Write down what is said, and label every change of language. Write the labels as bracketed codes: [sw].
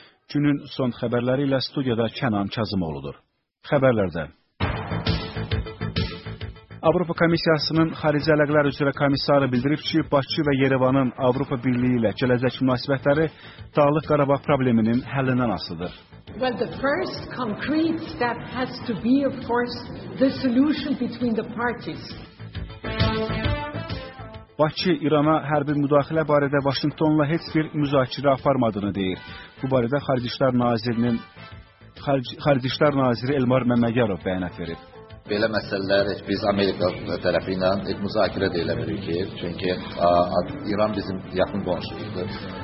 [az] Günün son xəbərləri ilə studiyada Kənan Kazımoğludur. Xəbərlərdə. Avropa Komissiyasının xarici əlaqələr üzrə komissarı bildirib ki, Bakı və Yerevanın Avropa Birliyi ilə gələcək münasibətləri Dağlıq Qarabağ probleminin həllindən asılıdır. [en] Well, the first concrete step has to be, of course, the solution between the parties. [az] Bakı İrana hərbi müdaxilə barədə Vaşinqtonla heç bir müzakirə aparmadığını deyir. Bu barədə Xarici İşlər Naziri Elmar Məmməgərov bəyanat verib. Belə məsələlər biz Amerika tərəfi ilə müzakirə də edə bilərik ki, çünki İran bizim yaxın qonşumuzdur.